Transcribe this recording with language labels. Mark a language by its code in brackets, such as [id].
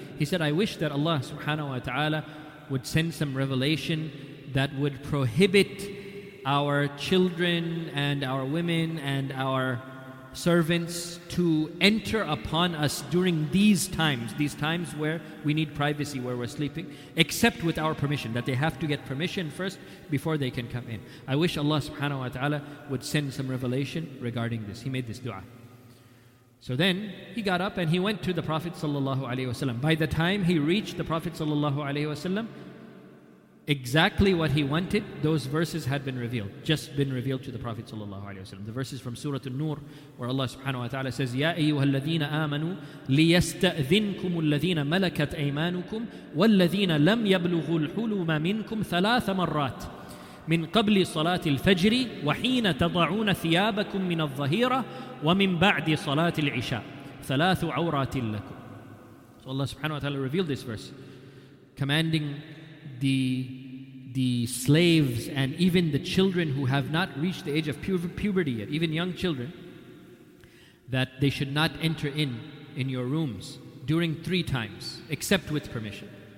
[en] He said, I wish that Allah subhanahu wa ta'ala would send some revelation that would prohibit our children and our women and our servants to enter upon us during these times where we need privacy, where we're sleeping, except with our permission, that they have to get permission first before they can come in. I wish Allah subhanahu wa ta'ala would send some revelation regarding this. He made this dua. So then he got up and he went to the Prophet ﷺ. By the time he reached the Prophet ﷺ, exactly what he wanted, those verses had been revealed, just been revealed to the Prophet ﷺ. The verses from Surah An-Nur, where Allah subhanahu wa ta'ala says, [ar] يَا أَيُّهَا الَّذِينَ آمَنُوا لِيَسْتَأْذِنْكُمُ الَّذِينَ مَلَكَتْ أَيْمَانُكُمْ وَالَّذِينَ لَمْ يَبْلُغُوا الْحُلُمَ مِنْكُمْ ثَلَاثَ مَرَّاتِ من قبل صلاة الفجر وحين تضعون ثيابكم من الظهيرة ومن بعد صلاة العشاء ثلاث عورات لكم. [en] So Allah subhanahu wa ta'ala revealed this verse, commanding the slaves and even the children who have not reached the age of puberty yet, even young children, that they should not enter in your rooms during three times, except with permission.